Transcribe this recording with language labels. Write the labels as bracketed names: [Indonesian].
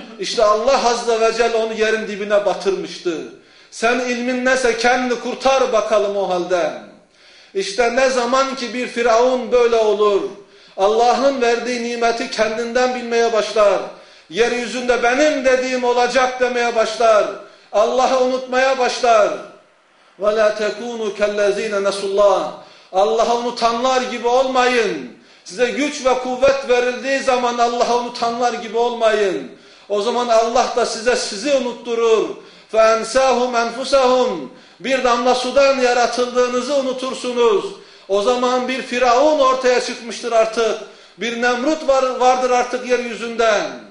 [Turkish] İşte Allah Azze ve Celle onu yerin dibine batırmıştı. Sen ilmin neyse kendini kurtar bakalım o halde. İşte ne zaman ki bir firavun böyle olur, Allah'ın verdiği nimeti kendinden bilmeye başlar, yeryüzünde benim dediğim olacak demeye başlar, Allah'ı unutmaya başlar. [Arabic] وَلَا تَكُونُوا كَالَّذ۪ينَ نَسُوا اللّٰهِ Allah'ı unutanlar gibi olmayın. [Turkish] Size güç ve kuvvet verildiği zaman Allah'ı unutanlar gibi olmayın. O zaman Allah da size sizi unutturur. فَاَنْسَاهُمْ اَنْفُسَهُمْ Bir damla sudan yaratıldığınızı unutursunuz. O zaman bir firavun ortaya çıkmıştır artık. Bir Nemrut vardır artık yeryüzünde.